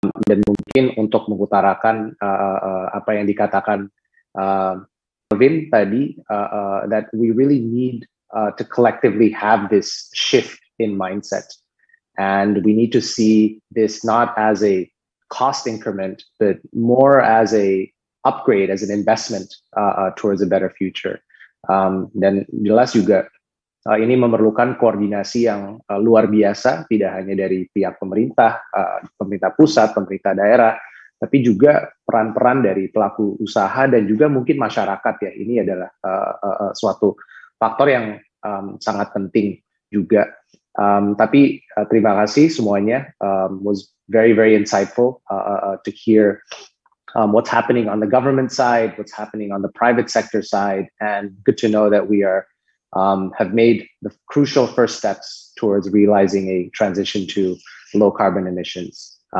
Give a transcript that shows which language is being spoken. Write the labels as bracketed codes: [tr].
[id] Dan mungkin untuk mengutarakan apa yang dikatakan Alvin tadi, [en] that we really need to collectively have this shift in mindset, and we need to see this not as a cost increment, but more as a upgrade, as an investment towards a better future. [id] Dan jelas juga ini memerlukan koordinasi yang luar biasa, tidak hanya dari pihak pemerintah, pemerintah pusat, pemerintah daerah, tapi juga peran-peran dari pelaku usaha dan juga mungkin masyarakat ya. Ini adalah suatu faktor yang sangat penting juga. Tapi terima kasih semuanya. [en] Was very, very insightful to hear what's happening on the government side, what's happening on the private sector side, and good to know that we are have made the crucial first steps towards realizing a transition to low carbon emissions.